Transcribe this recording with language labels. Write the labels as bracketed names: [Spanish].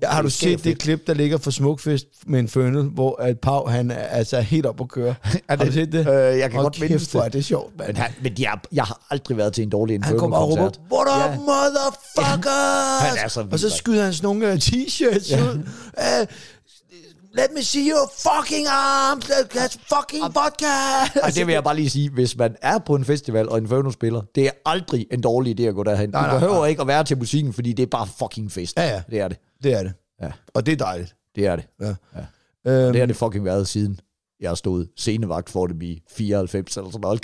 [Danish] Ja, har du set det klip, der ligger for Smukfest med en fønnel, hvor at Pau, han er altså helt op at køre. Har du set det? Jeg kan godt minde det. Det er sjovt, mand. Men jeg har aldrig været til en dårlig Infernal-koncert. Han kommer og råber, [English] what up? Motherfuckers! [Danish] Og så skyder han sådan nogle t-shirts ud. [English] Let me see your fucking arms! That's fucking vodka! [Danish] Og det vil jeg bare lige sige, hvis man er på en festival og en Inferno spiller, det er aldrig en dårlig idé at gå derhen. Du behøver ikke at være til musikken, fordi det er bare fucking fest. Ja, ja. Det er det. Det er det. Ja. Og det er dejligt. Det er det. Ja. Ja. Det har det fucking været siden. Jeg har stået scenevagt for det i 94 eller sådan noget.